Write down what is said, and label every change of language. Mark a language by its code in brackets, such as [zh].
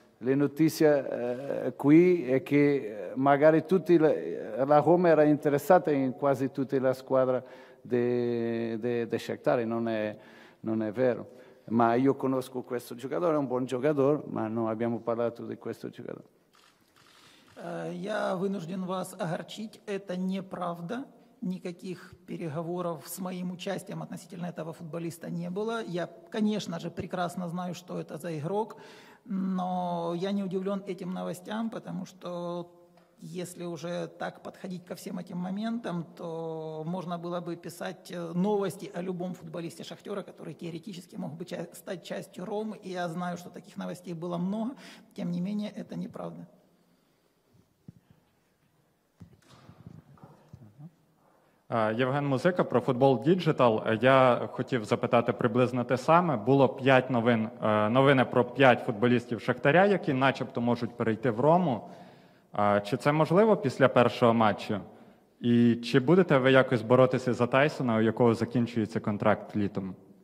[it] Le notizie qui è che magari tutti la Roma era interessata in quasi tutta la squadra di Shakhtar, non è vero. Ma io conosco questo giocatore, è un buon giocatore, ma non abbiamo parlato di questo giocatore. [ru] Я вынужден вас огорчить, это неправда. Никаких переговоров с моим участием относительно этого футболиста не было. Я, конечно же, прекрасно знаю, что это за игрок, но я не удивлен этим новостям, потому что если уже так подходить ко всем этим моментам, то можно было бы писать новости о любом футболисте Шахтера, который теоретически мог бы стать частью Ромы, и я знаю, что таких новостей было много, тем не менее, это неправда. [uk] Євген Музика, про футбол Діджитал. Я хотів запитати приблизно те саме. Було 5 новин, новини про 5 футболістів Шахтаря, які начебто можуть перейти в Рому. Чи це можливо після першого матчу? І чи будете ви якось боротися за Тайсона, у якого закінчується контракт літом?